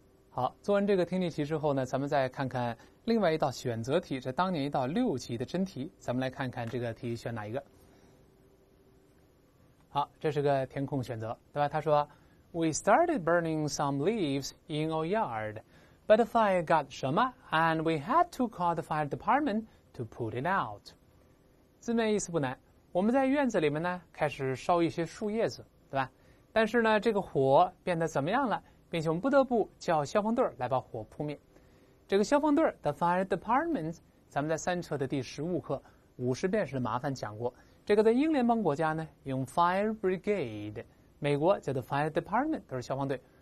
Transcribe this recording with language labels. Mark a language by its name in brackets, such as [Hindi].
[Chinese] 好做完这个听力题之后呢，咱们再看看另外一道选择题，这当年一道六级的真题，咱们来看看这个题选哪一个。好，这是个填空选择，对吧？他说 [English] We started burning some leaves in our yard, but the fire got [Chinese] 什么 [English] and we had to call the fire department to put it out. [Chinese] 字面意思不难，我们在院子里面呢开始烧一些树叶子，对吧？但是呢这个火变得怎么样了，并且我们不得不叫消防队来把火扑灭。这个消防队 the fire department, 咱们在三册的第15课50遍式的麻烦讲过，这个在英联邦国家呢用 fire brigade,美国叫做 fire department, 都是消防队。